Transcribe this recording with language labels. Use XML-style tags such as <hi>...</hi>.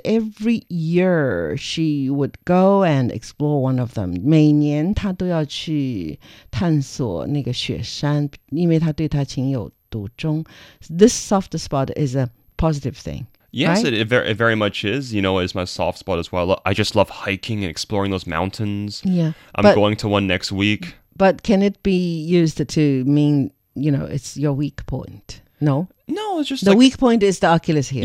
<en>Every year, she would go and explore one of them.</en> <zh>每年她都要去探索那个雪山，因为她对她情有独钟。</zh> <en>This soft spot is a positive thing. Yes, right? it very much is. You know, it's my soft spot as well. I just love hiking and exploring those mountains. Yeah, but, I'm going to one next week. But can it be used to mean, you know, it's your weak point? No? No, it's just the weak point is the Achilles heel.</en>